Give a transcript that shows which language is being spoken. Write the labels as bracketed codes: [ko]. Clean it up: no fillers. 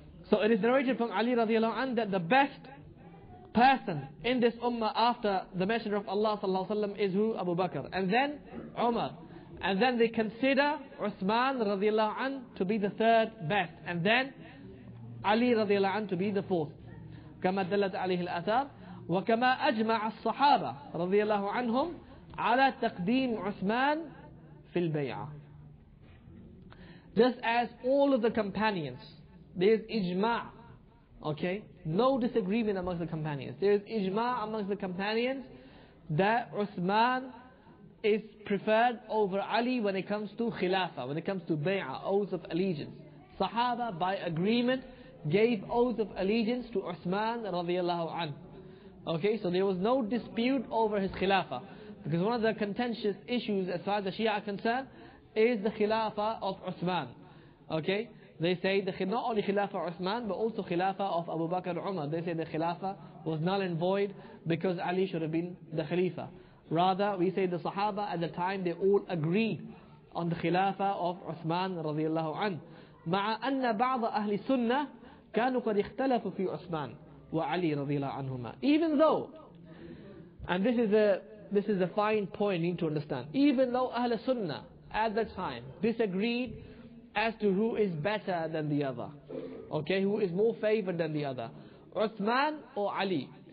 [en] So it is narrated from Ali radiallahu anhu that the best person in this ummah after the Messenger of Allah sallallahu alaihi wasallam is who? Abu Bakr. And then Umar. And then they consider Uthman radiallahu anhu to be the third best. And then Ali radiallahu anhu to be the fourth. [ar] كَمَا دَلَّتْ عَلَيْهِ الْأَثَارِ وَكَمَا أَجْمَعَ الصَّحَابَةِ radiallahu anhum عَلَى تَقْدِيمْ عُثْمَان فِي الْبَيْعَةِ. [en] Just as all of the companions, there is ijma', okay? No disagreement amongst the companions. There is ijma' amongst the companions that Uthman is preferred over Ali when it comes to khilafah, when it comes to bay'ah, oaths of allegiance. Sahaba, by agreement, gave oaths of allegiance to Uthman radiallahu anhu. Okay, so there was no dispute over his khilafah. Because one of the contentious issues as far as the Shia are concerned is the khilafah of Uthman. Okay? They say the not only Khilafah Uthman, but also Khilafah of Abu Bakr Umar. They say the Khilafah was null and void because Ali should have been the Khalifa. Rather, we say the Sahaba at the time, they all agreed on the Khilafah of Uthman radiallahu anhu. [ar] مع أن بعض أهل السنة كانوا قد اختلفوا في عثمان وعلي رضي الله عنهما. [en] Even though, and this is a fine point you need to understand. Even though أهل السنة at the time disagreed as to who is better than the other, okay, who is more favored than the other, Uthman or Ali.